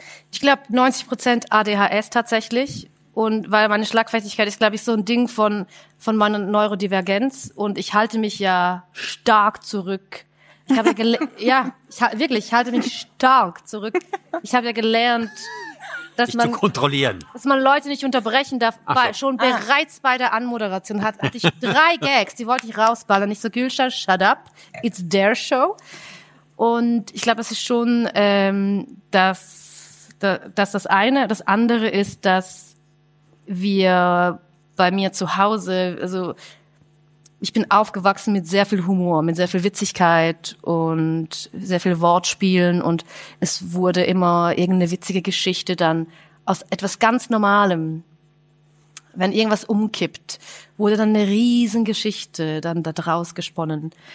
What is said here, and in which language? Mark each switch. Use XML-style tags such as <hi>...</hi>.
<de>Ich glaube 90% ADHS tatsächlich, und weil meine Schlagfertigkeit ist, glaube ich, so ein Ding von meiner Neurodivergenz, und ich halte mich ja stark zurück. Ich halte mich stark zurück. Ich habe ja gelernt, dass man, zu kontrollieren. Dass man Leute nicht unterbrechen darf. So. Bereits bei der Anmoderation hatte ich 3 Gags, die wollte ich rausballern. Nicht so,</de> <en>Gülşah, shut up, it's their show.</en> <de>Und ich glaube, es ist schon das eine. Das andere ist, dass wir bei mir zu Hause, also ich bin aufgewachsen mit sehr viel Humor, mit sehr viel Witzigkeit und sehr viel Wortspielen, und es wurde immer irgendeine witzige Geschichte dann aus etwas ganz Normalem, wenn irgendwas umkippt, wurde dann eine Riesengeschichte dann da draus gesponnen.</de>